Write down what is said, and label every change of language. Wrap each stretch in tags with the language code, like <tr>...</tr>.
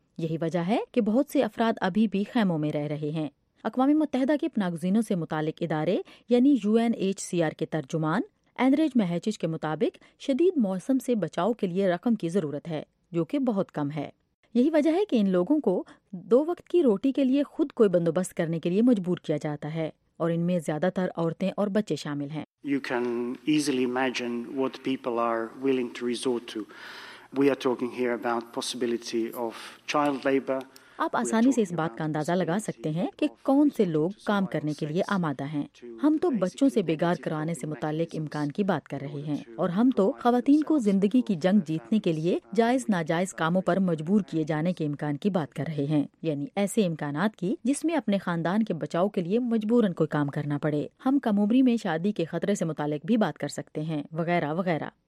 <ur>یہی وجہ ہے کہ بہت سے افراد ابھی بھی خیموں میں رہ رہے ہیں۔ اقوام متحدہ کے پناہ گزینوں سے متعلق ادارے یعنی UNHCR کے ترجمان اندریج مہچچ کے مطابق شدید موسم سے بچاؤ کے لیے رقم کی ضرورت ہے جو کہ بہت کم ہے۔ یہی وجہ ہے کہ ان لوگوں کو 2 وقت کی روٹی کے لیے خود کوئی بندوبست کرنے کے لیے مجبور کیا جاتا ہے، اور ان میں زیادہ تر عورتیں اور بچے شامل ہیں۔</ur> <en>You can easily imagine what people are willing to resort to. We are talking here about possibility of child labor.</en> <ur>آپ آسانی سے اس بات کا اندازہ لگا سکتے ہیں کہ کون سے لوگ کام کرنے کے لیے آمادہ ہیں۔ ہم تو بچوں سے بیگار کرانے سے متعلق امکان کی بات کر رہے ہیں، اور ہم تو خواتین کو زندگی کی جنگ جیتنے کے لیے جائز ناجائز کاموں پر مجبور کیے جانے کے امکان کی بات کر رہے ہیں، یعنی ایسے امکانات کی جس میں اپنے خاندان کے بچاؤ کے لیے مجبوراً کوئی کام کرنا پڑے۔ ہم کم عمری میں شادی کے خطرے سے متعلق بھی بات کر سکتے ہیں، وغیرہ وغیرہ۔</ur>